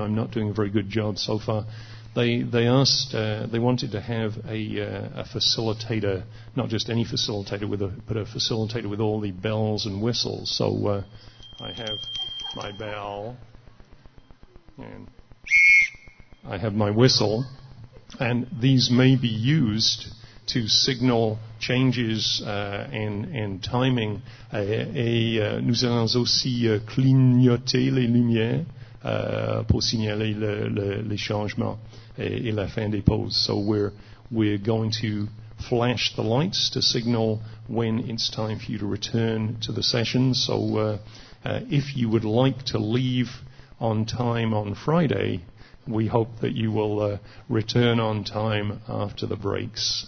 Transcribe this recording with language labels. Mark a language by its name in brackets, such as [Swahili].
[English] I'm not doing a very good job so far. They wanted to have a facilitator, not just any facilitator, but a facilitator with all the bells and whistles. So I have my bell, and I have my whistle, and these may be used to signal changes and timing. [French] Nous allons aussi clignoter les lumières pour signaler les changements. Et la fin des pauses. [English] So we're going to flash the lights to signal when it's time for you to return to the session. So if you would like to leave on time on Friday, we hope that you will return on time after the breaks.